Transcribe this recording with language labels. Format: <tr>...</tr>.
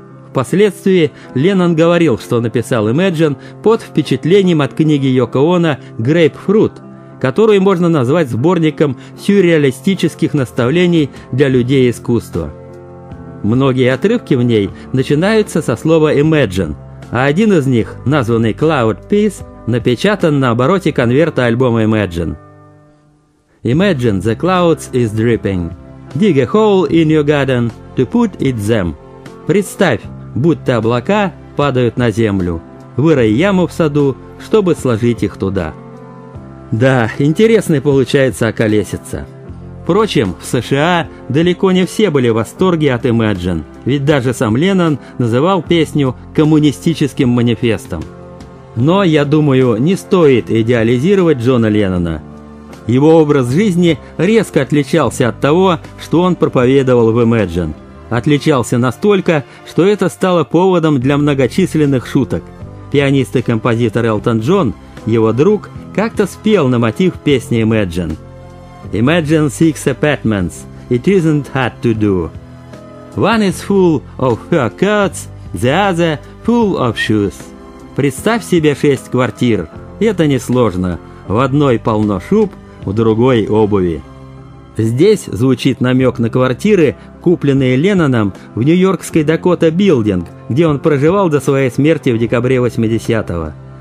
<ru>Впоследствии Леннон говорил, что написал «Imagine» под впечатлением от книги Йоко Оно «Грейпфрут», которую можно назвать сборником сюрреалистических наставлений для людей искусства. Многие отрывки в ней начинаются со слова «Imagine», а один из них, названный «Cloud Peace», напечатан на обороте конверта альбома «Imagine».</ru> <en>«Imagine the clouds is dripping. Dig a hole in your garden to put it them.</en> <ru>Представь, будто облака падают на землю. Вырой яму в саду, чтобы сложить их туда». Да, интересный получается околесица. Впрочем, в США далеко не все были в восторге от «Imagine», ведь даже сам Леннон называл песню «коммунистическим манифестом». Но, я думаю, не стоит идеализировать Джона Леннона. Его образ жизни резко отличался от того, что он проповедовал в «Imagine». Отличался настолько, что это стало поводом для многочисленных шуток. Пианист и композитор Элтон Джон, его друг, как-то спел на мотив песни «Imagine».</ru> <en>«Imagine six apartments, it isn't hard to do. One is full of fur coats, the other full of shoes.</en> <ru>Представь себе 6 квартир, это несложно, в одной полно шуб, в другой обуви». Здесь звучит намек на квартиры, купленные Ленноном в нью-йоркской Дакота Билдинг, где он проживал до своей смерти в декабре 80-го.</ru>